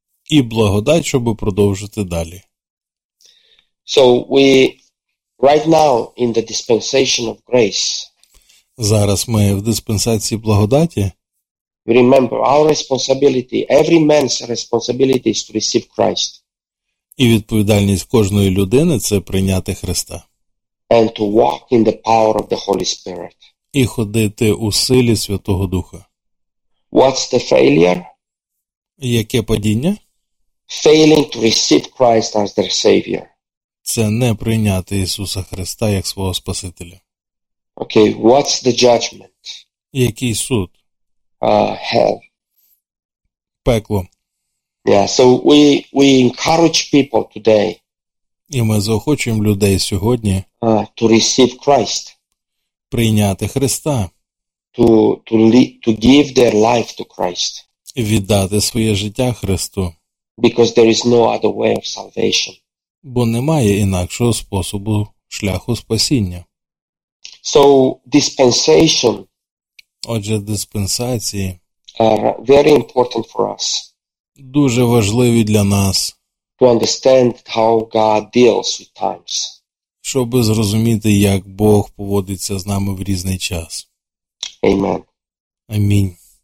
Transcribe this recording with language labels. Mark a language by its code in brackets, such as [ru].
[uk] і благодать, щоб продовжити далі. [en] So we right now in the dispensation of grace. [uk] Зараз ми в диспенсації благодаті. [en] Remember, our responsibility, every man's responsibility is to receive Christ. [uk] І відповідальність кожної людини – це прийняти Христа. [en] And to walk in the power of the Holy Spirit. [uk] І ходити у силі Святого Духа. [en] What's the failure? [uk] Яке падіння? [en] Failing to receive Christ as their Savior. [uk] Це не прийняти Ісуса Христа як свого Спасителя. [en] Okay, what's the judgment? [uk] Який суд? [en] Hell. [uk] Пекло. [en] Yeah, so we encourage people today. [uk] І ми заохочуємо людей сьогодні [en] to receive Christ. [uk] Прийняти Христа. [en] To give their life to Christ. [uk] Віддати своє життя Христу. [en] Because there is no other way of salvation. [uk] Бо немає інакшого способу шляху спасіння. [en] So dispensation. [uk] Отже, диспенсації [en] are very important for us. [uk] Дуже важливі для нас. [en] To understand how God deals with times. [uk] Щоб зрозуміти, як Бог поводиться з нами в різний час. [en] Amen. [uk] Амінь.